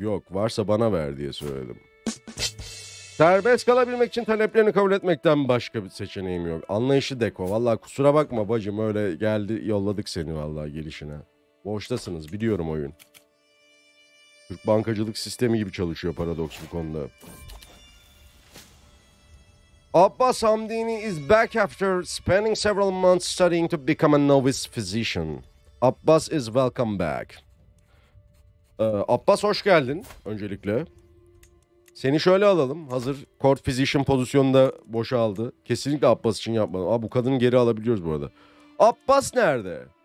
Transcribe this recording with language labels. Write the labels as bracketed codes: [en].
[tr] Yok varsa bana ver diye söyledim. Serbest kalabilmek için taleplerini kabul etmekten başka bir seçeneğim yok. Anlayışlı deko. Vallahi kusura bakma bacım öyle geldi yolladık seni vallahi gelişine. Boştasınız biliyorum oyun. Türk bankacılık sistemi gibi çalışıyor paradoks bu konuda. [en] Abbas Hamdini is back after spending several months studying to become a novice physician. Abbas is welcome back. [tr] Abbas hoş geldin öncelikle. Seni şöyle alalım. Hazır court physician pozisyonunda boşaldı. Kesinlikle Abbas için yapmadım. Aa, bu kadını geri alabiliyoruz bu arada. Abbas nerede?